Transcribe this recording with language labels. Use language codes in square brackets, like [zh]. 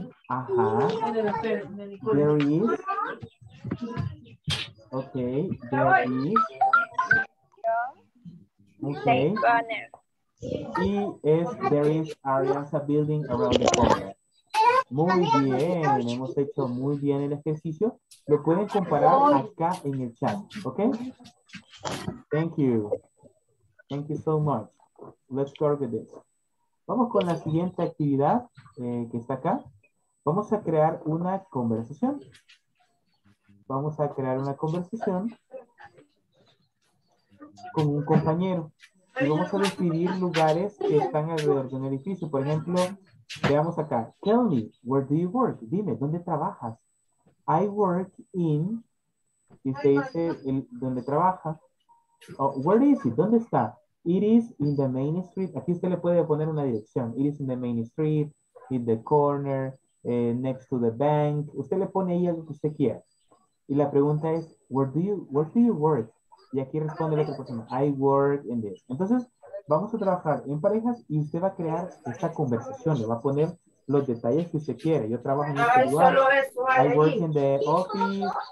[en] Ajá. There is. Okay. There is. Okay. [es] Y es [en] there is Arias a building around the corner. [es] Muy bien, hemos hecho muy bien el ejercicio. Lo pueden comparar acá en el chat, ¿ok? [en] Thank you so much. Let's start with this. [es] Vamos con la siguiente actividad que está acá. Vamos a crear una conversación. Vamos a crear una conversación con un compañero. Y vamos a definir lugares que están alrededor de un edificio. Por ejemplo, veamos acá. [en] Tell me, where do you work? [es] Dime, ¿dónde trabajas? [en] I work in... [es] Y se dice el, ¿dónde trabaja? [en] Oh, where is it? [es] ¿Dónde está? [en] It is in the main street. [es] Aquí usted le puede poner una dirección. [en] It is in the main street, in the corner, next to the bank. [es] Usted le pone ahí algo que usted quiera. Y la pregunta es, [en] where do you work? [es] Y aquí responde la otra persona, [en] I work in this. [es] Entonces, vamos a trabajar en parejas y usted va a crear esta conversación. Le va a poner los detalles que usted quiere. Yo trabajo en este lugar. [en] I work in the office.